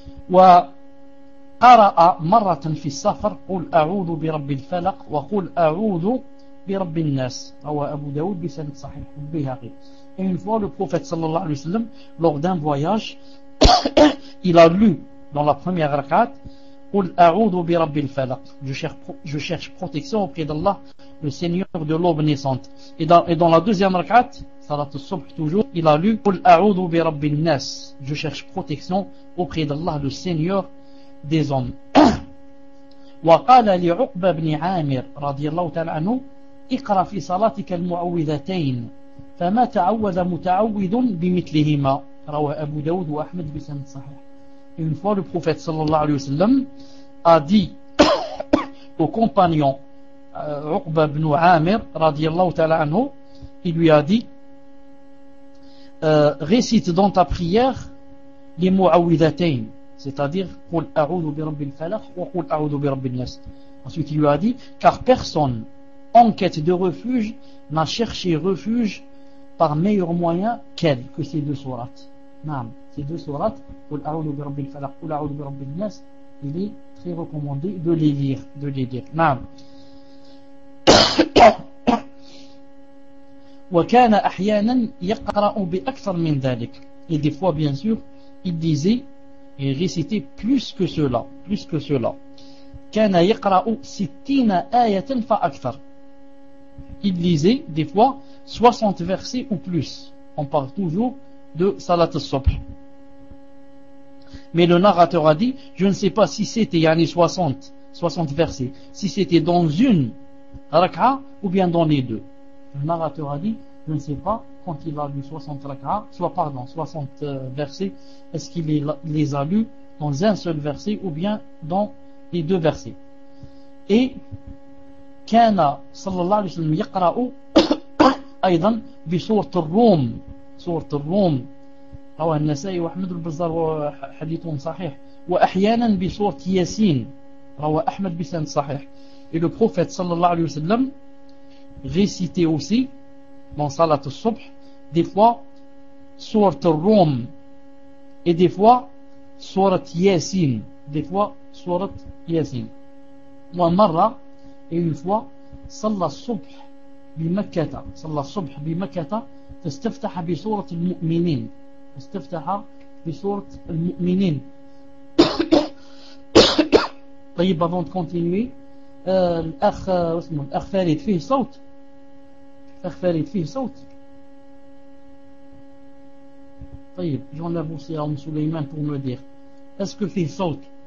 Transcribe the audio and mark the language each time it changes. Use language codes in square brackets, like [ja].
[ar] وقرأ مرة في السفر قل أعوذ برب الفلق وقل أعوذ برب الناس أو أبو داود بسند صحيح البيهقي. [fr] Et une fois le prophète sallallahu alayhi wa sallam lors d'un voyage il a lu dans la première rak'at [ar] قل أعوذ برب الفلق, [fr] je cherche protection auprès d'Allah le seigneur de l'aube naissante. Et dans la deuxième rak'at salat al-subh toujours il a lu [ar] قل أعوذ برب الناس, [fr] je cherche protection auprès d'Allah le seigneur des hommes. [ar] وقال لعقبة بن عامر رضي الله تعالى عنه اقرأ في صلاتك المعوذتين فما تعوذ متعوذ بمثلهما روى أبو داود وأحمد بسند صحيح. [fr] Et une fois le prophète sallallahu alayhi wa sallam a dit au compagnon Uqba ibn Amir radiyallahu ta'ala anhu, il lui a dit récite dans ta prière les mu'awidatayn, c'est-à-dire [ar] qul a'udhu bi rabbil falaq wa qul a'udhu bi rabbin nas. [fr] Ensuite il lui a dit car personne en quête de refuge n'a cherché refuge par meilleur moyen qu'elle, que ces deux sourates. Naam. Ces deux sourates, [ar] قل أعوذ برب الفلق قل أعوذ برب الناس, [fr] il est très recommandé de les lire, de les lire. [ar] نعم. وكان أحيانا يقرأ بأكثر من ذلك. [fr] Et des fois, bien sûr, il disait et récitait plus que cela, plus que cela. [ar] كان يقرأ 60 آية فأكثر. [fr] Il lisait des fois 60 versets ou plus. On parle toujours de Salat al-Subh. Mais le narrateur a dit, je ne sais pas si c'était yani 60 versets, si c'était dans une raka'a ou bien dans les deux. Le narrateur a dit, je ne sais pas quand il a lu 60 raka'a, soit pardon, 60 versets, est-ce qu'il les a lus dans un seul verset ou bien dans les deux versets. Et [ar] كان صلى الله عليه وسلم يقرأ أيضا بسورة الروم. سورة الروم رواه النسائي وأحمد البزار وحديث صحيح. وأحيانا بسورة ياسين رواه أحمد بسند صحيح. [fr] Et le prophète صلى الله عليه وسلم récitait aussi dans صلاة الصبح des fois سورة الروم et des fois سورة ياسين des fois سورة ياسين. [ar] ومرة [fr] et une fois [ar] صلى الصبح بمكة صلى الصبح بمكة تستفتح بسورة المؤمنين استفتح بسورة المؤمنين طيب [fr] avant de continuer [ar] الأخ اسمه الأخ فريد فيه صوت الأخ فريد فيه صوت طيب جون لابو سيام سليمان [fr] pour me dire est-ce que [ar] فيه صوت